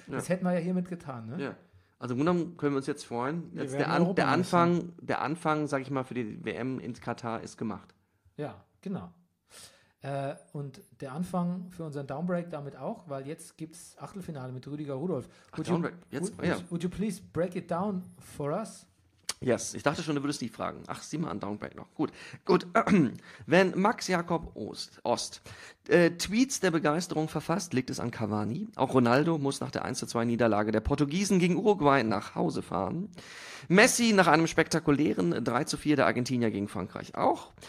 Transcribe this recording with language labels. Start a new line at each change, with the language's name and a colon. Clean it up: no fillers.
German: Ja. Das hätten wir ja hiermit getan, ne? Ja. Also im Grunde genommen können wir uns jetzt freuen. Jetzt der Anfang, sag ich mal, für die WM in Katar ist gemacht. Ja, genau. Und der Anfang für unseren Downbreak damit auch, weil jetzt gibt es Achtelfinale mit Rüdiger Rudolph. Ach, Downbreak.
English: Would you please break it down for us?
German: Yes, ich dachte schon, du würdest dich fragen. Ach, sieh mal an, Downbreak noch. Gut, gut. Wenn Max Jakob Ost Tweets der Begeisterung verfasst, liegt es an Cavani. Auch Ronaldo muss nach der 1-2-Niederlage der Portugiesen gegen Uruguay nach Hause fahren. Messi nach einem spektakulären 3-4 der Argentinier gegen Frankreich auch.